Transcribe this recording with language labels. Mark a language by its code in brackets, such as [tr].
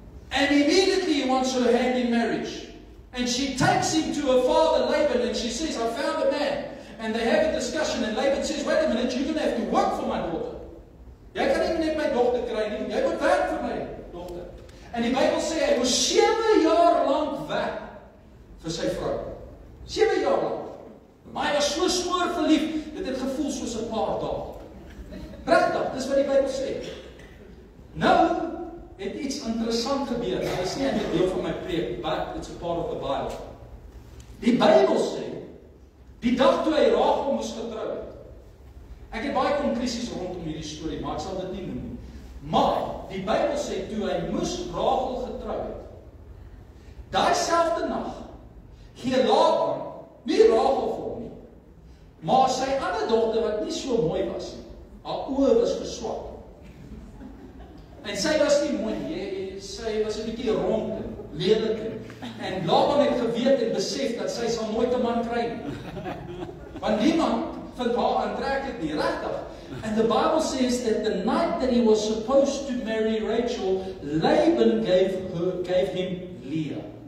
[en] And immediately he wants her hand in marriage. And she takes him to her father Laban and she says, I found a man. And they have a discussion and Laban says, wait a minute, you're going to have to work for my daughter. [af] Jy kan nie net my dogter kry nie, jy moet werk vir my dogter. En die Bybel sê, hy moes 7 jaar lank werk vir sy vrou. 7 jaar lank. Maar hy was so swaar verlief, dit het gevoel soos 'n paar dae. Regtig, dis wat die Bybel sê. Nou het iets interessant gebeur, dit is nie 'n deel van my preek, [en] but it's a part of the Bible. [af] Die Bybel sê, die dag toe hy Rachel moes getrou het, ek het baie konklusies rondom hierdie storie, maar ek sal dit nie noem nie. Maar, die Bybel sê, toe hy moes Rachel getrou het, Daai selfde nag gee Laban nie Rachel vir hom nie, maar sy ander dogter wat nie so mooi was nie. Haar oë was geswak. En sy was nie mooi nie. Sy was 'n bietjie rond en lelik en Laban het geweet en besef dat sy sal nooit 'n man kry nie. Want niemand vind haar aantreklik nie, regtig. [en] And the Bible says that the night that he was supposed to marry Rachel, Laban gave him Leah.